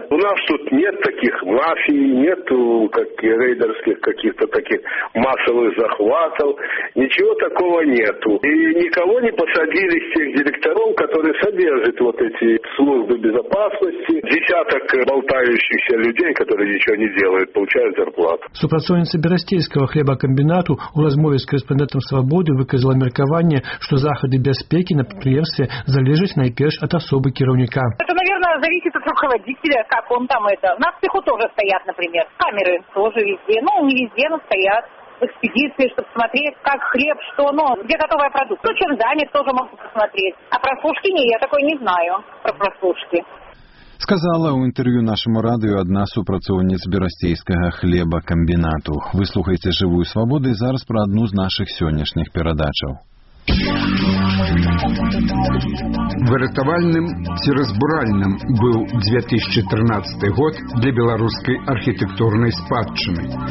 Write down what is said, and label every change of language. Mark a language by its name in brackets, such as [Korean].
[Russian] У нас тут нет таких мафий, нету как и рейдерских каких-то таких массовых захватов. Ничего такого нету. И никого не посадили с тех директоров, которые содержат вот эти службы безопасности. Десяток болтающихся людей, которые ничего не делают. [Belarusian] Супрацоўніца Берасцейскага хлебакамбінату ў размове з корэспандэнтам «Свабоды» выказала меркаванне, што захады бяспекі на прадпрыемстве залежаць найперш ад асобы кіраўніка. [Russian] Зависит от руководителя, как он там это. На цеху тоже стоят, например, камеры тоже везде. Ну, не везде, но стоят в экспедиции, чтобы смотреть, как хлеб, что, ну, где готовая продукция. Ну, чем занят, тоже могут посмотреть. А прослушки не, я такой не знаю, про прослушки. [Belarusian] Сказала ў інтэрв'ю нашаму радыю адна супрацоўніц берасцейскага хлебакамбінату. Выслухайце «Жывую свабоду» і зараз пра адну з нашых сённяшніх перадачаў. Выратавальным ці разбуральным быў 2013 год для беларускай архітэктурнай спадчыны.